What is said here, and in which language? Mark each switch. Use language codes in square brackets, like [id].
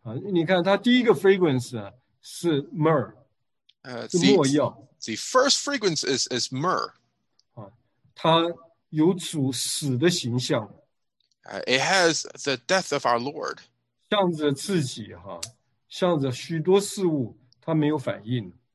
[zh] 你看他第一个 fragrance 是 myrrh, 是墨药。 [en] The first fragrance is myrrh. [zh] 他有主死的形象。 [en] It has the death of our Lord. [zh] 向着自己, 向着许多事物, 他没有反应。